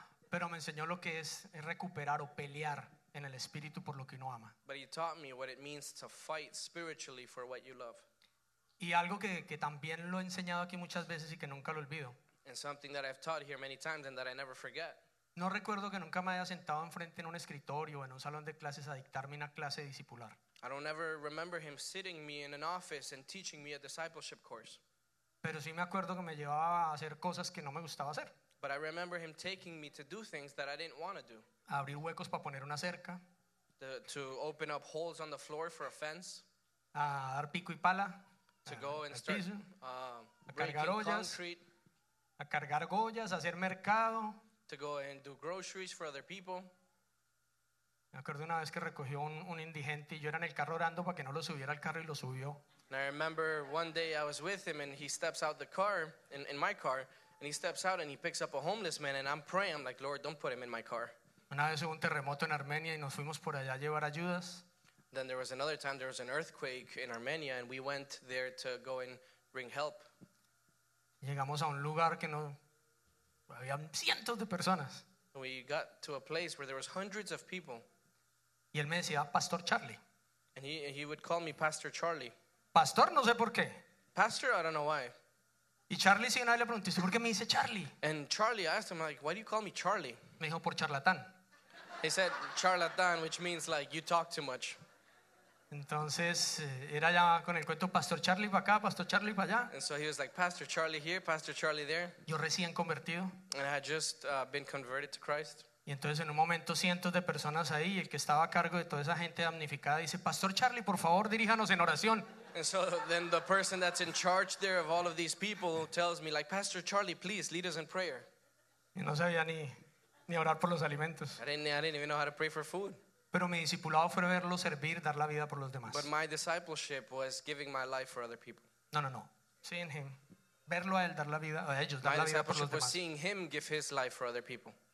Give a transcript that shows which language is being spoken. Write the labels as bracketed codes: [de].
[es] Pero me enseñó lo que es recuperar o pelear en el espíritu por lo que uno ama. [en] But he taught me what it means to fight spiritually for what you love. [es] Y algo que también lo he enseñado aquí muchas veces y que nunca lo olvido. [en] And something that I've taught here many times and that I never forget. [es] No recuerdo que nunca me haya sentado enfrente en un escritorio o en un salón de clases a dictarme una clase discipular. [en] I don't ever remember him sitting me in an office and teaching me a discipleship course. [es] Pero sí me acuerdo que me llevaba a hacer cosas que no me gustaba hacer. [en] But I remember him taking me to do things that I didn't want to do. [es] Abrir huecos para poner una cerca. [en] To open up holes on the floor for a fence. [es] A dar pico y pala. [en] To go and start [es] piso, [en] breaking concrete. [es] A cargar goyas, a hacer mercado. [en] To go and do groceries for other people. [es] Me acuerdo una vez que recogió un indigente y yo era en el carro orando para que no lo subiera al carro y lo subió. [en] And I remember one day I was with him and he steps out the car, in my car, and he steps out and he picks up a homeless man and I'm praying, I'm like, Lord, don't put him in my car. [es] Una vez hubo un terremoto en Armenia y nos fuimos por allá a llevar ayudas. [en] Then there was another time there was an earthquake in Armenia and we went there to go and bring help. [es] Llegamos a un lugar que no había cientos de personas. [en] We got to a place where there was hundreds of people. [es] Y él me decía, Pastor Charlie. [en] And he would call me Pastor Charlie. [es] Pastor, no sé por qué. [en] Pastor, I don't know why. [es] Y Charlie sí, una vez le pregunté, ¿por qué me dice Charlie? [en] And Charlie, I asked him, like, why do you call me Charlie? [es] Me dijo, por charlatán. [en] He said, charlatán, which means like you talk too much. [es] Entonces era ya con el cuento Pastor Charlie para acá, Pastor Charlie para allá. [en] And so he was like Pastor Charlie here, Pastor Charlie there. [es] Yo recién convertido. [en] And I had just been converted to Christ. [es] Y entonces en un momento cientos de personas ahí, el que estaba a cargo de toda esa gente damnificada dice, Pastor Charlie, por favor diríjanos en oración. [en] And so then the person that's in charge there of all of these people tells me like, Pastor Charlie, please lead us in prayer. [es] Y no sabía ni orar por los alimentos. [en] I didn't even know how to pray for food. [es] Pero mi discipulado fue verlo servir, dar la vida por los demás. [en] But my discipleship was giving my life for other people. No. Seeing him. [es] Verlo a él, dar la vida a ellos, dar la vida por los demás. [en] My discipleship was seeing him give his life for other people.